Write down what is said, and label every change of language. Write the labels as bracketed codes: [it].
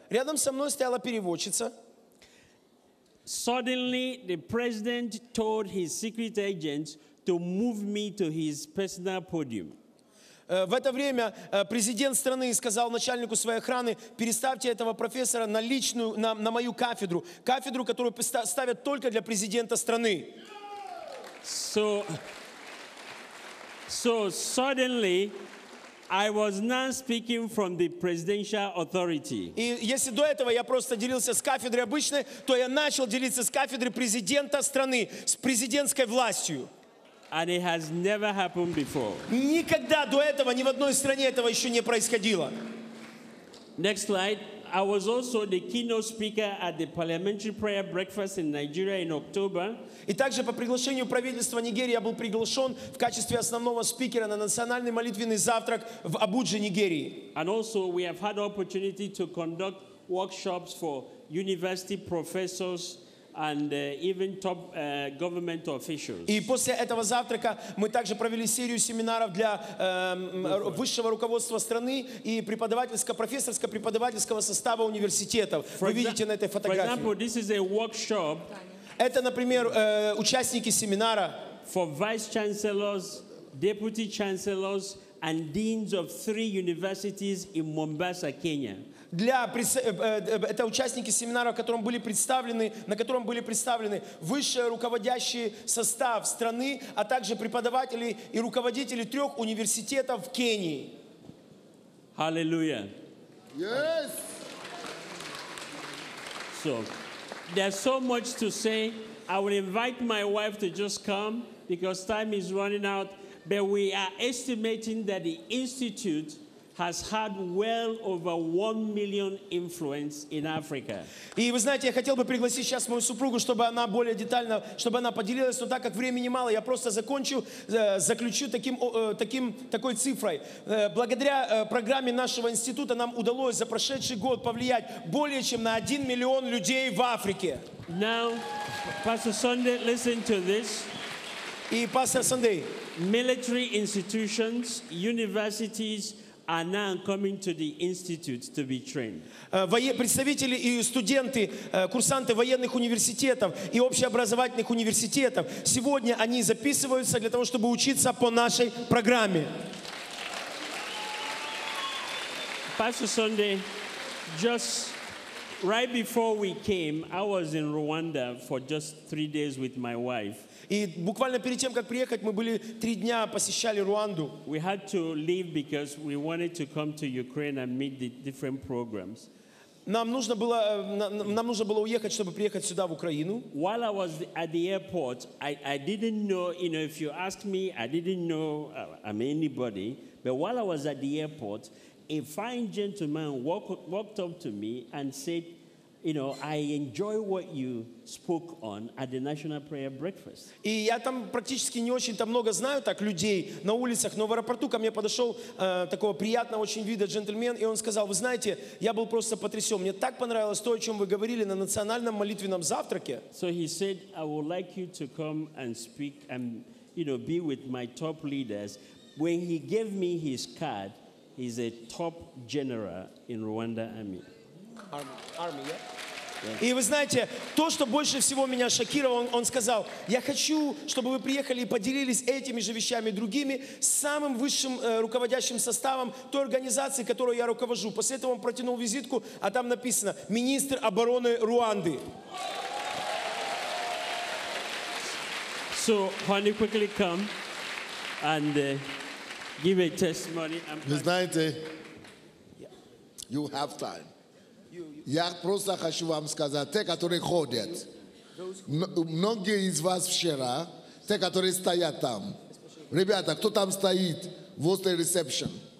[ru] Рядом со мной стояла переводчица. [en] Suddenly, the president told his secret agents to move me to his personal podium. [ru] В это время президент страны сказал начальнику своей охраны: переставьте этого профессора на личную, на мою кафедру, кафедру, которую ставят только для президента страны. [en] So suddenly I was now speaking from the presidential authority. [ru] И если до этого я просто делился с кафедры обычной, то я начал делиться с кафедры президента страны, с президентской властью. [en] And it has never happened before. [ru] Никогда до этого ни в одной стране этого еще не происходило. [en] Next slide. I was also the keynote speaker at the parliamentary prayer breakfast in Nigeria in October. [ru] И также по приглашению правительства Нигерии я был приглашен в качестве основного спикера на национальный молитвенный завтрак в Абудже, Нигерии. [en] And also we have had opportunity to conduct workshops for university professors and even top government officials. [ru] И после этого завтрака мы также провели серию семинаров для высшего руководства страны и профессорско-преподавательского состава университетов. Вы видите на этой фотографии. [en] For example, this is a workshop. [ru] Это, например, участники семинара [en] for vice chancellors, deputy chancellors, and deans of three universities in Mombasa, Kenya. [ru] Для это участники семинара, в котором были представлены, на котором были представлены высшие руководящие состав страны, а также преподаватели и руководители трех университетов в Кении. [en] Hallelujah. Yes. So, there's so much to say. I will invite my wife to just come because time is running out. But we are estimating that the institute has had well over 1 million influence in Africa. [ru] И вы знаете, я хотел бы пригласить сейчас мою супругу, чтобы она более детально, чтобы она поделилась. Но так как времени мало, я просто закончу, заключу такой цифрой. Благодаря программе нашего института нам удалось за прошедший год повлиять более чем на 1 миллион людей в Африке. [en] Now, Pastor Sunday, listen to this. [ru] И Pastor Sunday. [en] Military institutions, universities. Are now coming to the institute to be trained. [ru] Представители и студенты, курсанты военных университетов и общеобразовательных университетов сегодня они записываются для того, чтобы учиться по нашей программе. [en] Pastor Sunday, just right before we came, I was in Rwanda for just 3 days with my wife. [ru] И буквально перед тем, как приехать, мы были 3 дня, посещали Руанду. [en] We had to leave because we wanted to come to Ukraine and meet the different programs. [ru] Нам нужно было уехать, чтобы приехать сюда, в Украину. [en] While I was at the airport, I didn't know, you know, if you ask me, I didn't know I'm anybody. But while I was at the airport, a fine gentleman walked up to me and said, you know, I enjoy what you spoke on at the National Prayer Breakfast. [ru] И я там практически не очень-то много знаю так людей на улицах, но в аэропорту ко мне подошел такого приятного очень вида джентльмен, и он сказал, вы знаете, я был просто потрясен. Мне так понравилось то, о чем вы говорили на национальном молитвенном завтраке. [en] So he said, I would like you to come and speak and, you know, be with my top leaders. When he gave me his card, he's a top general in Rwanda Army. Army, yeah? [ru] Yeah. И вы знаете, то, что больше всего меня шокировало, он сказал, я хочу, чтобы вы приехали и поделились этими же вещами другими с самым высшим руководящим составом той организации, которую я руковожу. После этого он протянул визитку, а там написано «Министр обороны Руанды». [en] So, honey, quickly come and give a testimony. [ru] Вы знаете, [en] you have time. [ru] Я просто хочу вам сказать, те, которые ходят, многие из вас вчера, те, которые стоят там. Ребята, кто там стоит возле ресепшн?